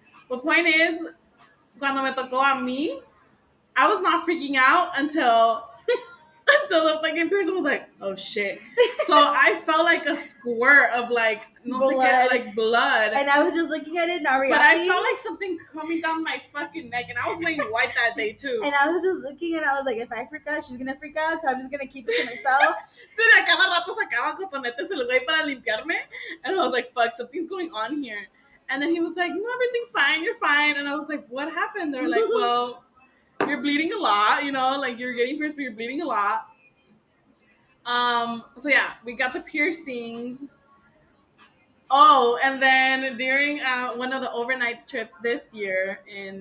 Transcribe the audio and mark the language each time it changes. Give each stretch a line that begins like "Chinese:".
English: The point is,
Spanish: cuando me tocó a mí,
English: I was not freaking out until the fucking person was like, oh shit. So I felt like a squirt of like, blood. And I was just looking at it, not reacting. But I felt like something coming down my fucking neck, and I was wearing white that day too. And I was just looking, and I was like, if I freak out, she's gonna freak out, so I'm just gonna keep it to myself.
Spanish: Dude, a cada rato sacaba cotonetes el güey para limpiarme.
English: And I was like, fuck, something's going on here. And then he was like, no, everything's fine, you're fine. And I was like, what happened? They're like, well, you're bleeding a lot, you know, like you're getting pierced, but you're bleeding a lot. So yeah, we got the piercings. Oh, and then during one of the overnight trips this year in